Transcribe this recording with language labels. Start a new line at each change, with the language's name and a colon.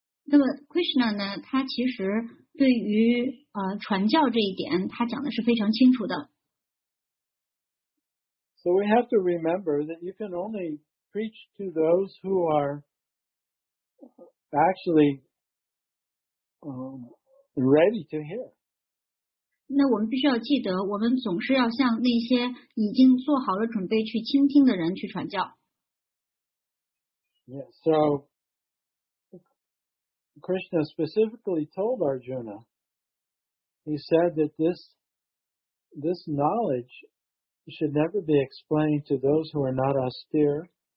Chinese: 那么 Krishna 呢，他其实对于传教这一点，他讲的是非常清楚的。
English: So we have to remember that you can only preach to those who are actually ready to hear.
Chinese: 那我们必须要记得，我们总是要向那些已经做好了准备去倾听的人去传教。
English: Yeah, so Krishna specifically told Arjuna, he said that this knowledge should never be explained to those who are not austere.